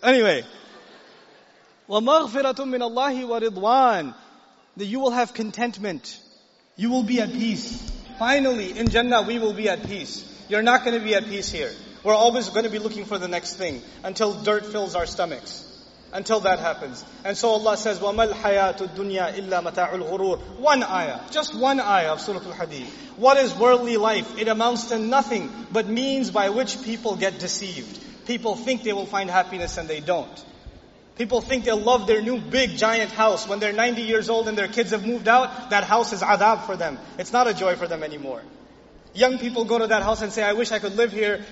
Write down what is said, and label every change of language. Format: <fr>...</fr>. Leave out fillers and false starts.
<en>Anyway.</en> <ar>وَمَغْفِرَةٌ مِّنَ اللَّهِ وَرِضْوَانٌ.</ar> <en>That you will have contentment. You will be at peace. Finally, in Jannah, we will be at peace. You're not gonna be at peace here. We're always gonna be looking for the next thing. Until dirt fills our stomachs. Until that happens. And so Allah says,</en> <ar>وَمَا الْحَيَاةُ الدُّنْيَا إِلَّا مَتَاعُ الْغُرُورِ.</ar> <en>One ayah. Just one ayah of Surah Al-Hadid. What is worldly life? It amounts to nothing but means by which people get deceived. People think they will find happiness and they don't. People think they'll love their new big giant house. When they're 90 years old and their kids have moved out, that house is adab for them. It's not a joy for them anymore. Young people go to that house and say, I wish I could live here.</en>